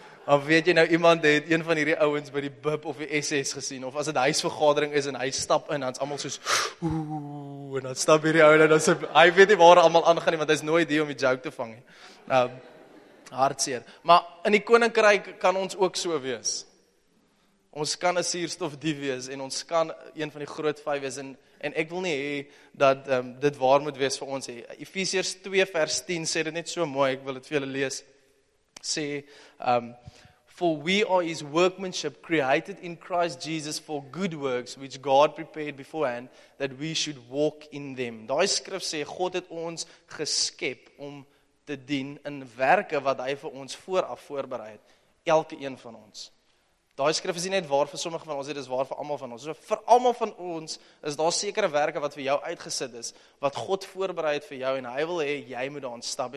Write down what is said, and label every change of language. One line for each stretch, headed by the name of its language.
Afrikaans: Of weet jy nou, iemand het een van hierdie ouens by die bib of die SS gesien, of as het huisvergadering is en hy stap in, dan is allemaal soos, oeh, en dan stap hierdie ouwe, en dan sê, hy weet nie waar hy allemaal aangaan nie, want hy is nooit die om die joke te vang. Hartseer. Maar in die koninkryk kan ons ook so wees. Ons kan 'n suurstofdief wees, en ons kan een van die Groot 5 wees, en ek wil nie hê dat dit waar moet wees vir ons. Efesiërs 2 vers 10 sê dit net so mooi, ek wil dit vir julle lees. Sê,
English: for we are his workmanship created in Christ Jesus for good works which God prepared beforehand that we should walk in them.
Afrikaans: Daai skrif sê, God het ons geskep om te dien in werke wat hy vir ons vooraf voorberei het. Elke een van ons. Daai skrif is nie net waar vir sommige van ons, dit is waar vir almal van ons. So vir almal van ons is daar sekere werke wat vir jou uitgesit is, wat God voorberei het vir jou en hy wil hê jy moet daarin stap.